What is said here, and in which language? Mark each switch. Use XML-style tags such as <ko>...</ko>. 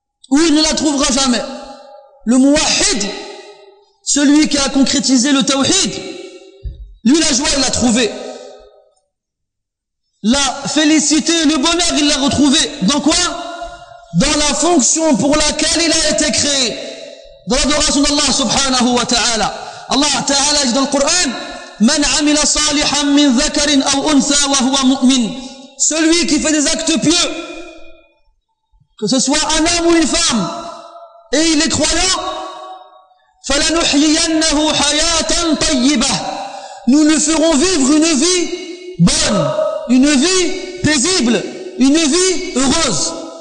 <fr>Où il ne la trouvera jamais. Le muwahhid, celui qui a concrétisé le tawhid, lui la joie il l'a trouvé. La félicité, le bonheur il l'a retrouvé. Dans quoi? Dans la fonction pour laquelle il a été créé. Dans l'adoration d'Allah subhanahu wa ta'ala. Allah ta'ala dit dans le Coran,</fr> <ar>من عمل صالحا من ذكر أو أنثى وهو مؤمن.</ar> <fr>Celui qui fait des actes pieux, que ce soit un homme ou une femme, et il est croyant,</fr> <ar>فلنحيينه حياة طيبة.</ar> <fr>Nous lui ferons vivre une vie bonne, une vie paisible, une vie heureuse.</fr>